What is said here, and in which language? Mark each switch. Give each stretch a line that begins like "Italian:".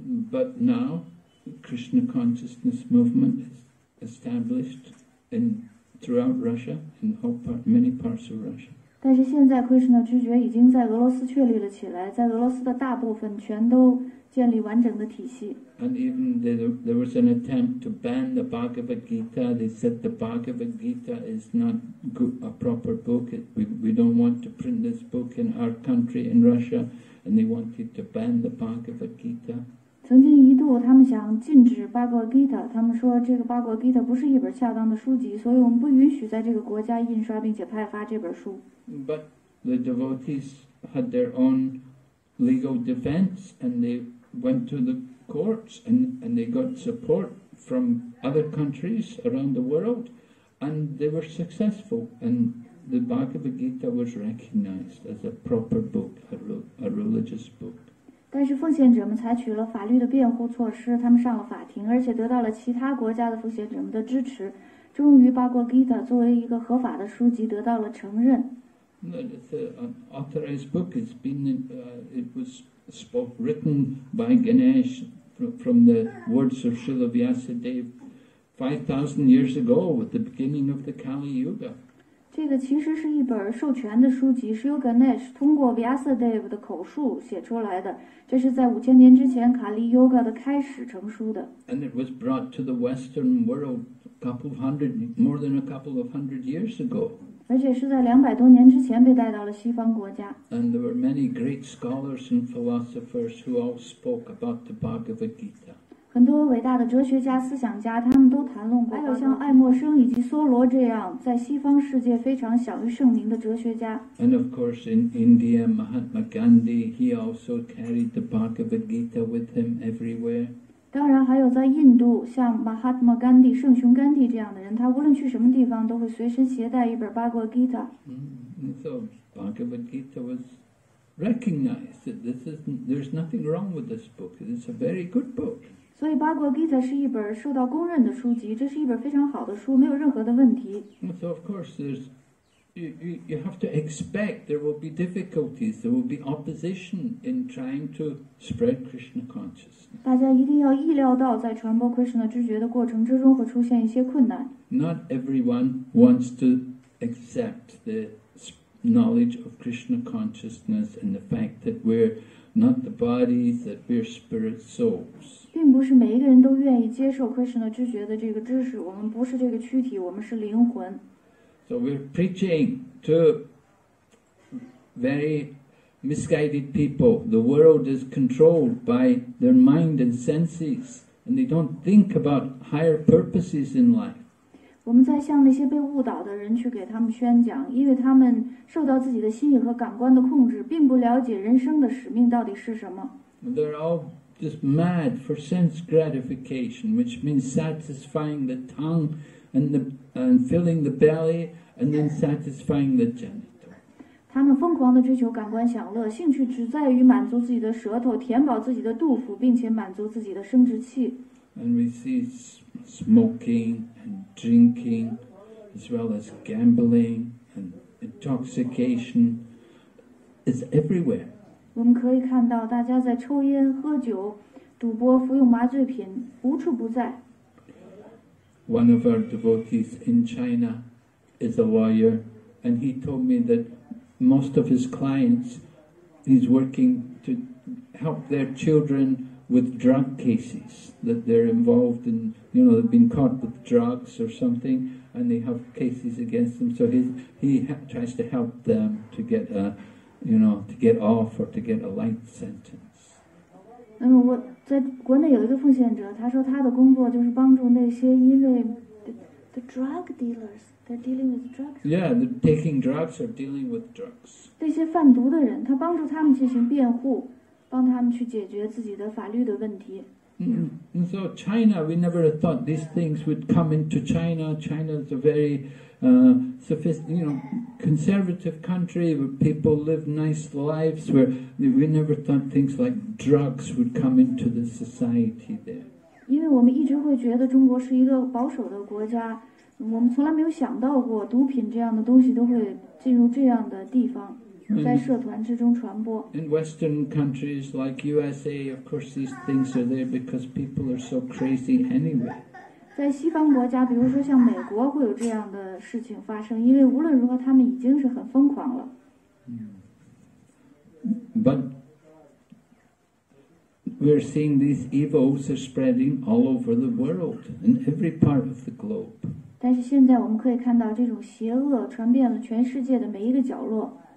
English: But now, Krishna consciousness movement is established throughout Russia, in many parts of Russia.
Chinese: 但是现在 Krishna 知觉已经在俄罗斯确立了起来，在俄罗斯的大部分全都建立完整的体系。
English: And even there was an attempt to ban the Bhagavad Gita. They said the Bhagavad Gita is not a proper book. We don't want to print this book in our country, in Russia. And they wanted to ban the Bhagavad Gita.
Chinese: 曾经一度他们想禁止 Bhagavad Gita. 他们说这个 Bhagavad Gita 不是一本恰当的书籍，所以我们不允许在这个国家印刷并且派发这本书。
English: But the devotees had their own legal defense, and they went to the courts, and they got support from other countries around the world, and they were successful, and the Bhagavad Gita was recognized as a proper book, a religious book.
Chinese: 但是奉献者们采取了法律的辩护措施，他们上了法庭，而且得到了其他国家的奉献者们的支持，终于 Bhagavad Gita 作为一个合法的书籍得到了承认。
English: It's an authorized book. It's been, it was spoke, written by Ganesh from the words of Srila Vyasadeva 5,000 years ago at the beginning of the Kali Yuga.
Chinese: 这个其实是一本授权的书籍，是由 Ganesh 通过 Vyasadeva 的口述写出来的。这是在五千年之前 Kali Yuga 的开始成书的。
English: And it was brought to the Western world more than a couple of hundred years ago.
Chinese: 而且是在两百多年之前被带到了西方国家。
English: And there were many great scholars and philosophers who all spoke about the Bhagavad Gita.
Chinese: 很多伟大的哲学家、思想家，他们都谈论过。还有像爱默生以及梭罗这样在西方世界非常享誉盛名的哲学家。
English: And of course, in India, Mahatma Gandhi, he also carried the Bhagavad Gita with him everywhere.
Chinese: 当然还有在印度像 Mahatma Gandhi 圣雄甘地这样的人，他无论去什么地方都会随身携带一本 Bhagavad Gita。
English: So Bhagavad Gita was recognized that there's nothing wrong with this book. It's a very good book.
Chinese: 所以 Bhagavad Gita 是一本受到公认的书籍，这是一本非常好的书，没有任何的问题。
English: So of course you have to expect there will be difficulties, there will be opposition in trying to spread Krishna consciousness.
Chinese: 大家一定要意料到在传播 Krishna 知觉的过程之中会出现一些困难。
English: Not everyone wants to accept the knowledge of Krishna consciousness and the fact that we're not the bodies, that we're spirit souls.
Chinese: 并不是每一个人都愿意接受 Krishna 知觉的这个知识，我们不是这个躯体，我们是灵魂。
English: So we're preaching to very misguided people. The world is controlled by their mind and senses, and they don't think about higher purposes in life.
Chinese: 我们在向那些被误导的人去给他们宣讲，因为他们受到自己的心理和感官的控制，并不了解人生的使命到底是什么。
English: They're all just mad for sense gratification, which means satisfying the tongue and filling the belly. And then satisfying the genital.
Chinese: 他们疯狂地追求感官享乐，兴趣只在于满足自己的舌头，填饱自己的肚腹，并且满足自己的生殖器。
English: And we see smoking and drinking, as well as gambling and intoxication, is everywhere.
Chinese: 我们可以看到，大家在抽烟、喝酒、赌博、服用麻醉品，无处不在。
English: One of our devotees in China. Is a lawyer, and he told me that most of his clients, he's working to help their children with drug cases that they're involved in. You know, they've been caught with drugs or something, and they have cases against them. So he tries to help them to get a, you know, to get off or to get a light sentence.
Chinese: 那么我在国内有一个奉献者，他说他的工作就是帮助那些因为
English: the drug dealers. They're dealing with drugs. Yeah, they're taking drugs or dealing with drugs.
Chinese: 那些贩毒的人，他帮助他们进行辩护，帮他们去解决自己的法律的问题。
English: And so China, we never thought these things would come into China. China is a very, sophisticated, you know, conservative country where people live nice lives. Where we never thought things like drugs would come into the society there.
Chinese: 因为我们一直会觉得中国是一个保守的国家。我们从来没有想到过毒品这样的东西都会进入这样的地方，在社团之中传播。
English: In Western countries like USA, of course, these things are there because people are so crazy anyway.
Chinese: 在西方国家，比如说像美国，会有这样的事情发生，因为无论如何，他们已经是很疯狂了。
English: But we're seeing these evils spreading all over the world in every part of the globe.
Chinese: 但是现在我们可以看到，这种邪恶传遍了全世界的每一个角落。